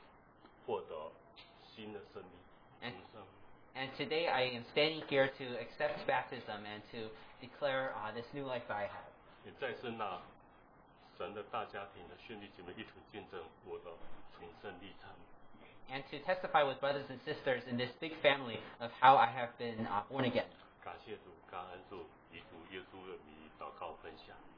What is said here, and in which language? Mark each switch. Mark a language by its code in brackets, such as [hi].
[zh] 今天有幸即将在这里接受受洗，将使我获得新的生命。 [en] And today I am standing here to accept baptism and to declare this new life that I have. [zh] 也再次那神的大家庭的兄弟姐妹一同见证我的重生历程。 [en] And to testify with brothers and sisters in this big family of how I have been born again. [zh] 感谢主，感恩主，以主耶稣的名祷告分享。